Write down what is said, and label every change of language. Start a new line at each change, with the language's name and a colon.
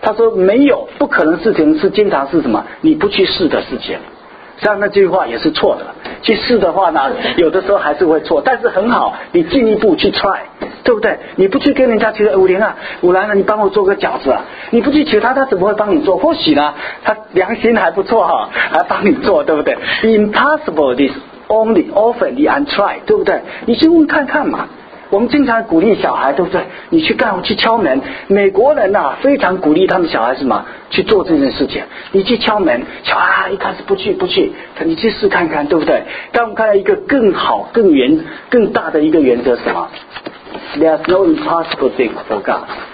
Chinese: 他说没有不可能事情，是经常是什么你不去试的事情。虽然那句话也是错的，去试的话呢有的时候还是会错，但是很好，你进一步去 try， 对不对？你不去跟人家去说，五零啊五兰啊你帮我做个饺子啊，你不去求他，他怎么会帮你做？或许呢他良心还不错哈，还帮你做，对不对？
English: Impossible is only often the untried，
Chinese: 对不对？你去问看看嘛。我们经常鼓励小孩，对不对？你去干，去敲门。美国人啊，非常鼓励他们小孩什么去做这件事情。你去敲门，小孩一开始不去不去，你去试看看，对不对？但我们看到一个更好、更圆、更大的一个原则是什么 ？
English: There's no impossible thing for God。